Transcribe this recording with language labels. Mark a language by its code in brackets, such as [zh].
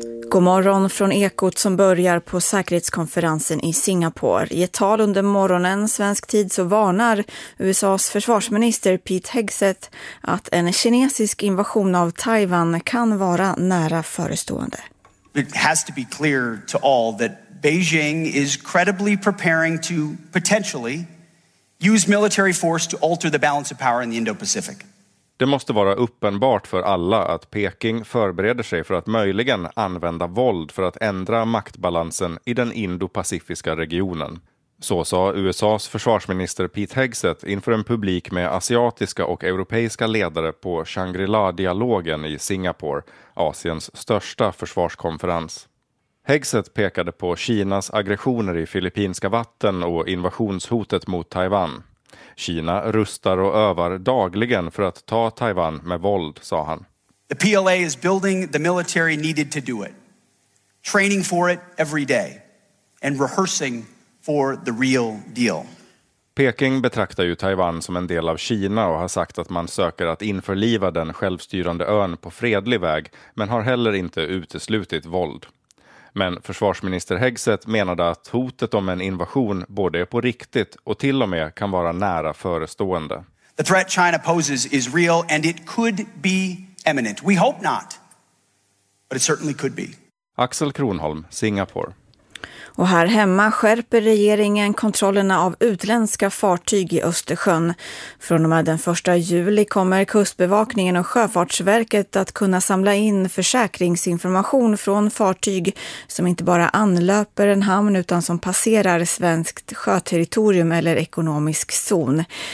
[sv] God morgon från Ekot som börjar på säkerhetskonferensen i Singapore. I ett tal under morgonen svensk tid så varnar USAs försvarsminister Pete Hegseth att en kinesisk invasion av Taiwan kan vara nära förestående. [en] It has to be clear to all that Beijing is credibly preparing to potentially use military force to alter the balance of power in the Indo-Pacific. [sv] Det måste vara uppenbart för alla att Peking förbereder sig för att möjligen använda våld för att ändra maktbalansen i den indopacifiska regionen. Så sa USAs försvarsminister Pete Hegseth inför en publik med asiatiska och europeiska ledare på Shangri-La-dialogen i Singapore, Asiens största försvarskonferens. Hegseth pekade på Kinas aggressioner i filippinska vatten och invasionshotet mot Taiwan. Kina rustar och övar dagligen för att ta Taiwan med våld, sa han. [en] The PLA is building the military needed to do it. Training for it every day and rehearsing for the real deal. [sv] Peking betraktar ju Taiwan som en del av Kina och har sagt att man söker att införliva den självstyrande ön på fredlig väg, men har heller inte uteslutit våld. Men försvarsminister Hegseth menade att hotet om en invasion både är på riktigt och till och med kan vara nära förestående. [en] The threat China poses is real and it could be imminent. We hope not, but it certainly could be. [sv] Axel Kronholm, Singapore. Och här hemma skärper regeringen kontrollerna av utländska fartyg i Östersjön. Från och med den 1 juli kommer Kustbevakningen och Sjöfartsverket att kunna samla in försäkringsinformation från fartyg som inte bara anlöper en hamn utan som passerar svenskt sjöterritorium eller ekonomisk zon.